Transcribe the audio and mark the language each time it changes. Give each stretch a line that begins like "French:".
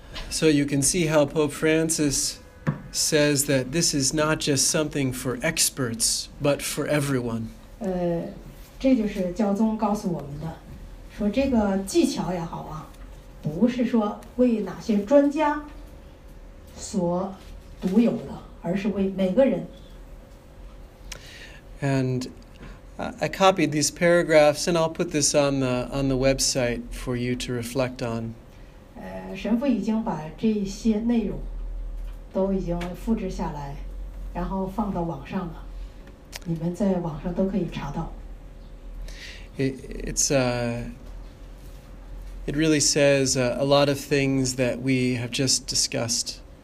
English: So you can see how Pope Francis says that this is not just something for experts, but for everyone.
Chinese: 这就是教宗告诉我们的，说这个技巧也好啊，不是说为哪些专家所独有的，而是为每个人。
English: And I copied these paragraphs, and I'll put this on the website for you to reflect on.
Chinese: 神父已经把这些内容。都已经复制下来，然后放到网上了，你们在网上都可以查到。
English: It's It really says a lot of things that we have just discussed.